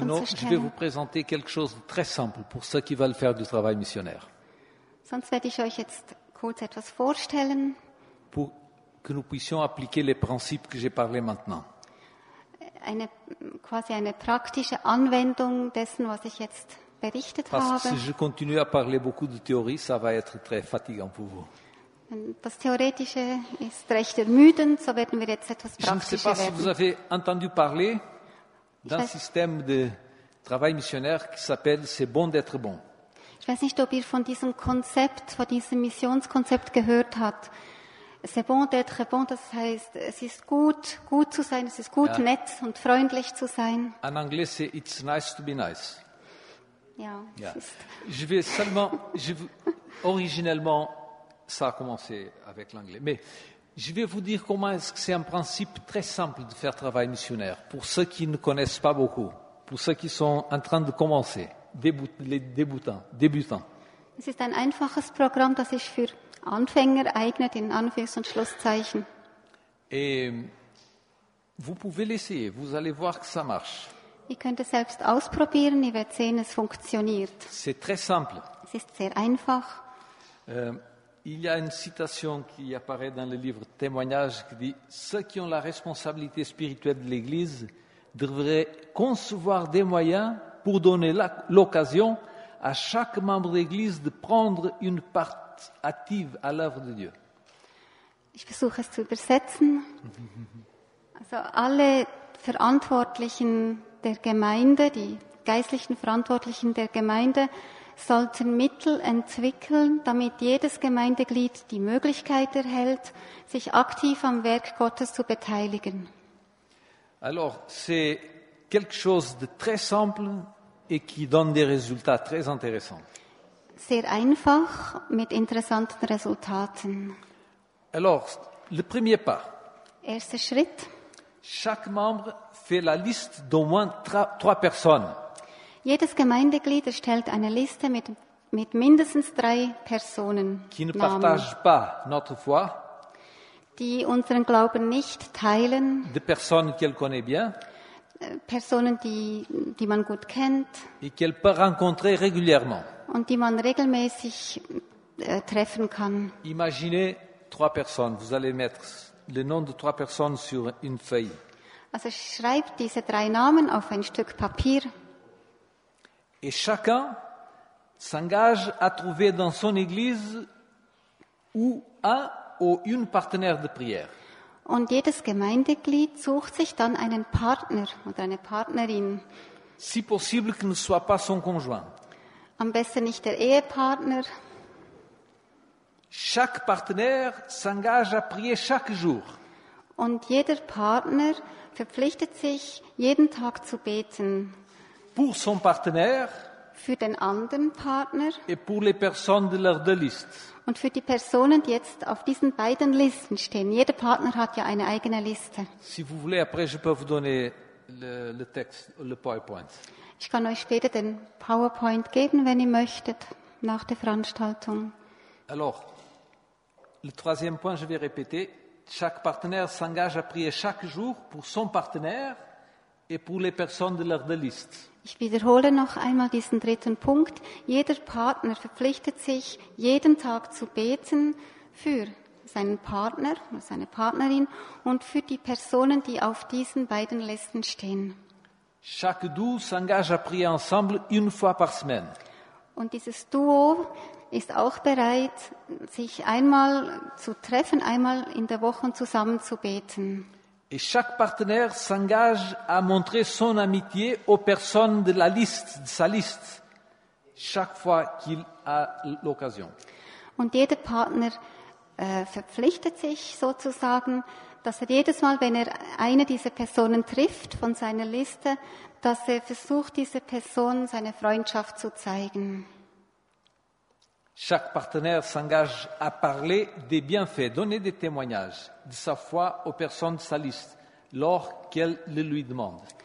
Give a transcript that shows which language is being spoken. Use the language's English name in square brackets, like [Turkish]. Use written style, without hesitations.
[French] Sinon, [German] zu stellen. [French] Je vais vous présenter quelque chose de très simple pour ceux qui veulent faire du travail missionnaire. [German] Sonst werde ich euch jetzt kurz etwas vorstellen. [French] Pour que nous puissions appliquer les principes que j'ai parlé maintenant. [German] Eine praktische Anwendung dessen, was ich jetzt berichtet [French] Parce [German] habe. [French] Si je continue à parler beaucoup de théorie, ça va être très fatigant pour vous. [German] Das Theoretische ist recht ermüdend, so werden wir jetzt etwas praktischer werden. [French] Je ne sais pas [German] werden. [French] Si vous avez entendu parler d'un système de travail missionnaire qui s'appelle « C'est bon d'être bon ». [German] Ich weiß nicht, ob ihr von diesem Konzept, von diesem Missionskonzept gehört habt. [French] C'est bon d'être bon, [German] das heißt, es ist gut, gut zu sein, es ist gut, ja. Nett und freundlich zu sein. [French] En anglais, c'est [English] it's nice to be nice. [German] Ja. Ja. [French] Je vais seulement, originellement, ça a commencé avec l'anglais, mais je vais vous dire comment est-ce que c'est un principe très simple de faire travail missionnaire, pour ceux qui ne connaissent pas beaucoup, pour ceux qui sont en train de commencer. Débutants. [German] Es ist ein einfaches Programm, das sich für Anfänger eignet, in Anführungs- und Schlusszeichen. [French] Et vous pouvez l'essayer, vous allez voir que ça marche. [German] Ihr könnt es selbst ausprobieren, ihr werdet sehen, es funktioniert. [French] C'est très simple. [German] Es ist sehr einfach. [French] Il y a une citation qui apparaît dans le livre Témoignage qui dit « Ceux qui ont la responsabilité spirituelle de l'Église devraient concevoir des moyens pour donner l'occasion à chaque membre d'Église de prendre une part active à l'œuvre de Dieu. [German] Ich versuche es zu übersetzen. Also alle Verantwortlichen der Gemeinde, die geistlichen Verantwortlichen der Gemeinde, sollten Mittel entwickeln, damit jedes Gemeindeglied die Möglichkeit erhält, sich aktiv am Werk Gottes zu beteiligen. [French] Alors, c'est quelque chose de très simple, et qui donne des résultats très intéressants. [German] Sehr einfach, mit interessanten Resultaten. [French] Alors, le premier pas. [German] Erster Schritt. [French] Chaque membre fait la liste d'au moins trois personnes. [German] Jedes Gemeindeglied erstellt eine Liste mit mindestens drei Personen. [French] Qui ne partagent pas notre foi. [German] Die unseren Glauben nicht teilen. [French] De personnes qu'elle connaît bien. [German] Personen, die man gut kennt [French] et qu'elle peut rencontrer régulièrement. [German] Und die man regelmäßig treffen kann. [French] Imaginez trois personnes. Vous allez mettre le nom de trois personnes sur une feuille. [German] Also schreibt diese drei Namen auf ein Stück Papier. [French] Et chacun s'engage à trouver dans son église ou un ou une partenaire de prière. [German] Und jedes Gemeindeglied sucht sich dann einen Partner oder eine Partnerin. [French] Si possible que ne soit pas son conjoint. [German] Am besten nicht der Ehepartner. [French] Chaque partenaire s'engage à prier chaque jour. [German] Und jeder Partner verpflichtet sich, jeden Tag zu beten. [French] Pour son partenaire. [German] Für den anderen Partner. [French] Et pour les personnes de leur liste. [German] Und für die Personen, die jetzt auf diesen beiden Listen stehen. Jeder Partner hat ja eine eigene Liste. [French] Si vous voulez, après je peux vous donner le texte, le PowerPoint. [German] Ich kann euch später den PowerPoint geben, wenn ihr möchtet, nach der Veranstaltung. [French] Alors, le troisième point, je vais répéter. Chaque partenaire s'engage à prier chaque jour pour son partenaire et pour les personnes de leur liste. [German] Ich wiederhole noch einmal diesen dritten Punkt. Jeder Partner verpflichtet sich, jeden Tag zu beten für seinen Partner oder seine Partnerin und für die Personen, die auf diesen beiden Listen stehen. [French] Chaque duo s'engage à prier ensemble une fois par semaine. [German] Und dieses Duo ist auch bereit, sich einmal zu treffen, einmal in der Woche zusammen zu beten. [French] Et chaque partenaire s'engage à montrer son amitié aux personnes de la liste, de sa liste, chaque fois qu'il a l'occasion. [German] Und jeder Partner verpflichtet sich sozusagen, dass er jedes Mal, wenn er eine dieser Personen trifft von seiner Liste, dass er versucht, dieser Person seine Freundschaft zu zeigen. [French] Chaque partenaire s'engage à parler des bienfaits, donner des témoignages de sa foi aux personnes de sa liste, lorsqu'elle le lui demande.